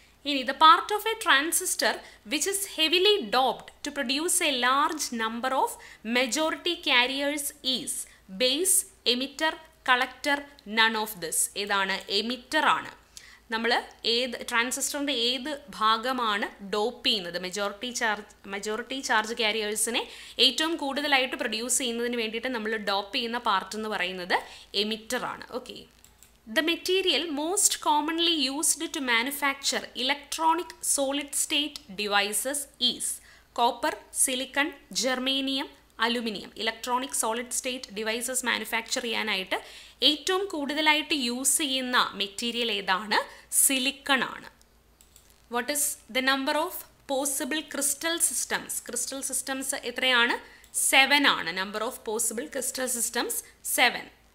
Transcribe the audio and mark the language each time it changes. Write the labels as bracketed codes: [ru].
[en] ഇനി the part of a transistor which is heavily doped to produce a large number of majority carriers is base, emitter, collector, none of this. [ml] ഏതാണ്? Emitter ആണ്. നമ്മൾ ഏത് ട്രാൻസിസ്റ്ററിൻ്റെ ഏത് ഭാഗമാണ് dope ചെയ്യുന്നത്? Majority charge ക്യാരിയേഴ്സിനെ ഏറ്റവും കൂടുതലായിട്ട് പ്രൊഡ്യൂസ് ചെയ്യുന്നതിന് വേണ്ടിയിട്ട് നമ്മൾ ഡോപ്പ് ചെയ്യുന്ന പാർട്ട് എന്ന് പറയുന്നത് എമിറ്റർ ആണ്. Okay. [en] The material most commonly used to manufacture electronic solid state devices is copper, silicon, germanium, aluminium. Electronic solid state devices manufacture [ml] ചെയ്യാനായിട്ട് ഏറ്റവും കൂടുതലായിട്ട് യൂസ് ചെയ്യുന്ന മെറ്റീരിയൽ ഏതാണ്? സിലിക്കൺ ആണ്. [en] What is the number of possible crystal systems? [ml] Crystal systems എത്രയാണ്? 7 ആണ്. [en] number of possible crystal systems [ml] 7.